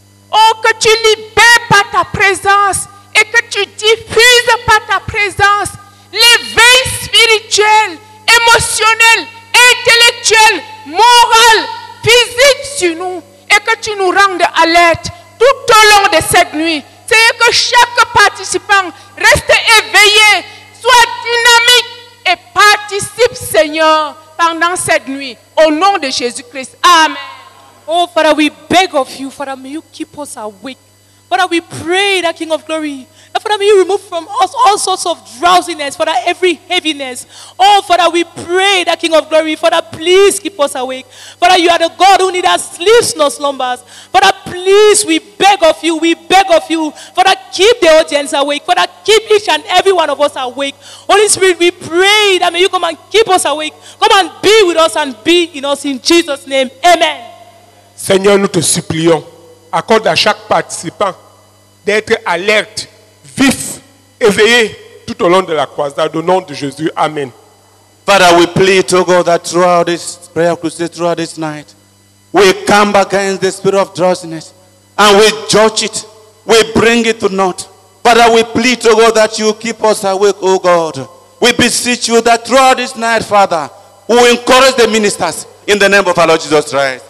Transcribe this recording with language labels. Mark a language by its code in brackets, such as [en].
[fr] Oh, que tu libères par ta présence et que tu diffuses par ta présence l'éveil spirituel, émotionnel, intellectuel, moral, visite sur nous et que tu nous rendes alerte tout au long de cette nuit. Seigneur, que chaque participant reste éveillé, soit dynamique et participe, Seigneur, pendant cette nuit. Au nom de Jésus-Christ. Amen. [en] Oh, Father, we beg of you, Father, may you keep us awake. Father, we pray that King of Glory, that Father, may you remove from us all sorts of drowsiness, Father, every heaviness. Oh, Father, we pray that King of Glory, Father, please keep us awake. Father, you are the God who neither sleeps nor slumbers. Father, please, we beg of you, Father, keep the audience awake. Father, keep each and every one of us awake. Holy Spirit, we pray that may you come and keep us awake. Come and be with us and be in us in Jesus' name. Amen. [fr] Seigneur, nous te supplions, accorde à chaque participant d'être alerte, vif, éveillé tout au long de la croisade. Au nom de Jésus, amen. [en] Father, we plead to God that throughout this prayer crusade, throughout this night, we come against the spirit of drowsiness and we judge it, we bring it to naught. Father, we plead to God that you keep us awake, O God. We beseech you that throughout this night, Father, we encourage the ministers in the name of our Lord Jesus Christ.